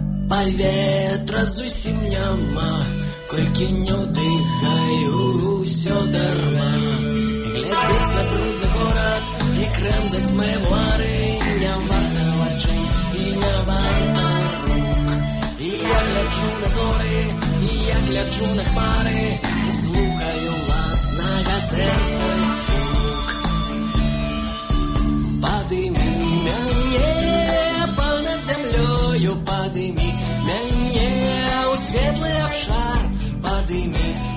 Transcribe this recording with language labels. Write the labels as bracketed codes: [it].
[be] Паветра зусім няма, колькі не ўдыхаю, усё дарма. Глядзець на брудны горад і крэмзаць мае мары, не варта вачэй і не варта рук. І я гляджу на зоры, і я гляджу на хмары, і слухаю на сердце стук. [ru] Подыми меня над землею, подыми меня у светлый обшар, подыми меня.